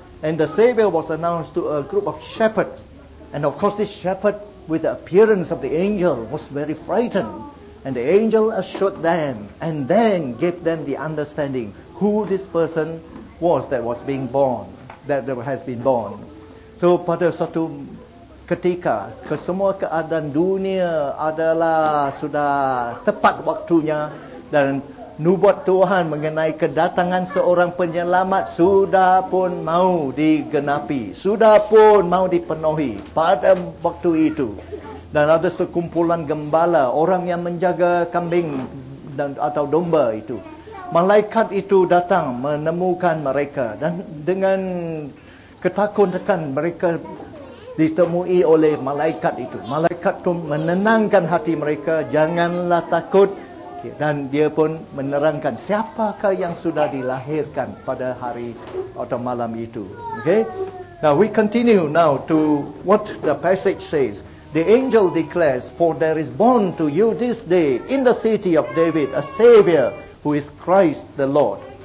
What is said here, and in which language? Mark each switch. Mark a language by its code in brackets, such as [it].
[en] And the Savior was announced to a group of shepherds. And of course this shepherd with the appearance of the angel was very frightened. And the angel assured them and then gave them the understanding who this person was that was being born, that has been born. [ms] So pada suatu ketika, kesemua keadaan dunia adalah sudah tepat waktunya dan nubuat Tuhan mengenai kedatangan seorang penyelamat sudah pun mau digenapi, sudah pun mau dipenuhi pada waktu itu. Dan ada sekumpulan gembala, orang yang menjaga kambing dan atau domba itu. Malaikat itu datang menemukan mereka. Dan dengan ketakutan mereka ditemui oleh malaikat itu. Malaikat itu menenangkan hati mereka, janganlah takut. Dan dia pun menerangkan siapakah yang sudah dilahirkan pada hari atau malam itu. Okay? [en] Now we continue now to what the passage says. The angel declares, for there is born to you this day in the city of David a Savior who is Christ the Lord.